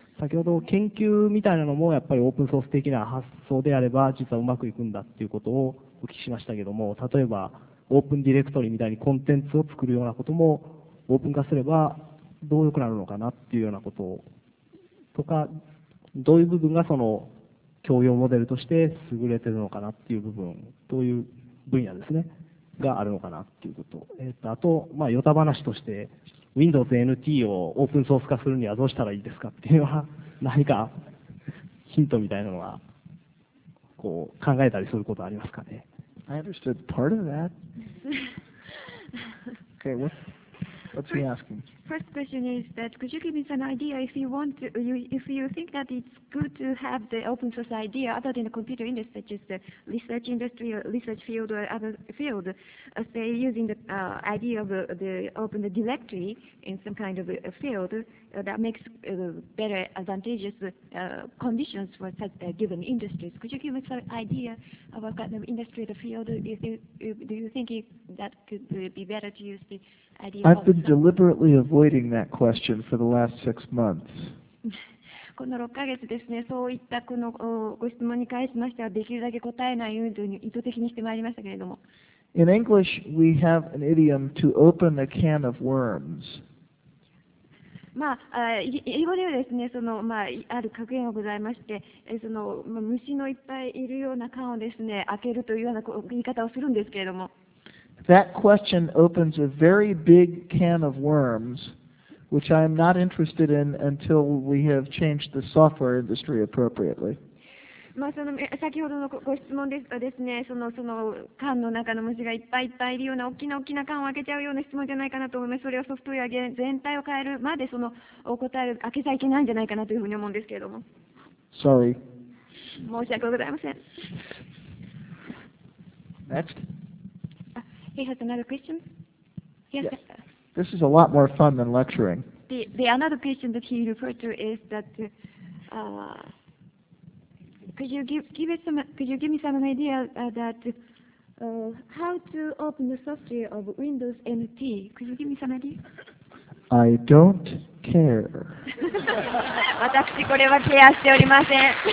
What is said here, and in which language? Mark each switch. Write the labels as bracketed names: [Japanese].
[Japanese] 先ほど研究みたいなのもやっぱりオープンソース的な発想であれば実はうまくいくんだっていうことをお聞きしましたけども、例えばオープンディレクトリみたいにコンテンツを作るようなこともオープン化すればどう良くなるのかなっていうようなことをとか、どういう部分がその共用モデルとして優れているのかなっていう部分、どういう分野ですね、があるのかなっていうこと。あと、まあ、ヨタ話として、Windows NT をオープンソース化するにはどうしたらいいですかっていうのは、何かヒントみたいなのは、こう、考えたりすることはありますかね。 [English] I understood part of that. Okay, what's he asking? first question is that could you give me some idea if you want to, you, if you think that it's good to have the open source idea other than the computer industry, such as the research industry or research field or other field, say using the idea of the open the directory in some kind of a field that makes better advantageous conditions for such given industries. Could you give us an idea of what kind of industry the field do you think it, that could be better to use the idea? I've been deliberately avoiding that question for the last 6 months. [Japanese] この6ヶ月ですね、そういったこのご質問に関しましてはできるだけ答えないように意図的にしてまいりましたけれども。 [English] In English, we have an idiom to open a can of worms. [Japanese] まあ、英語ではですね、その、まあ、ある格言がございまして、その、まあ、虫のいっぱいいるような缶をですね、開けるというような言い方をするんですけれども。 [English] That question opens a very big can of worms. Which I am not interested in until we have changed the software industry appropriately. [Japanese] まあその先ほどのご質問ですとですね、その缶の中の虫がいっぱいいっぱいいるような大きな大きな缶を開けちゃうような質問じゃないかなと思います。それをソフトウェア全体を変えるまでその答える開けちゃいけないんじゃないかなというふうに思うんですけれども。 [English] Sorry. [Japanese] 申し訳ございません。 [English] Next. He has another question. Yes.、Yeah. This is a lot more fun than lecturing. The another question that he referred to is that could you give me some idea that how to open the software of Windows NT? Could you give me some idea? I don't care. [Japanese] 私これはケアしておりません。